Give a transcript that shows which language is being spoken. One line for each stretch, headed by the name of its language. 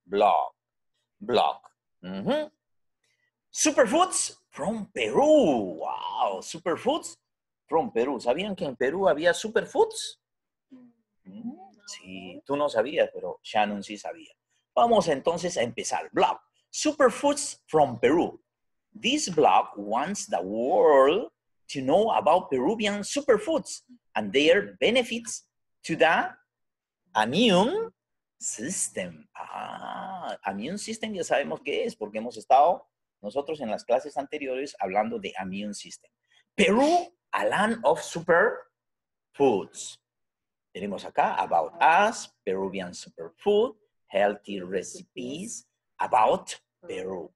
English: Blog. Blog. Superfoods from Peru. Wow. Superfoods from Peru.
Spanish: ¿Sabían que en Perú había superfoods? Sí, tú no sabías, pero Shannon sí sabía. Vamos entonces a empezar. Blog.
English: Superfoods from Peru. This blog wants the world to know about Peruvian superfoods and their benefits to the immune system.
Spanish: Ah, immune system ya sabemos qué es porque hemos estado nosotros en las clases anteriores hablando de immune system.
English: Perú, a land of superfoods.
Spanish: Tenemos acá
English: about us, Peruvian superfood, healthy recipes about Perú.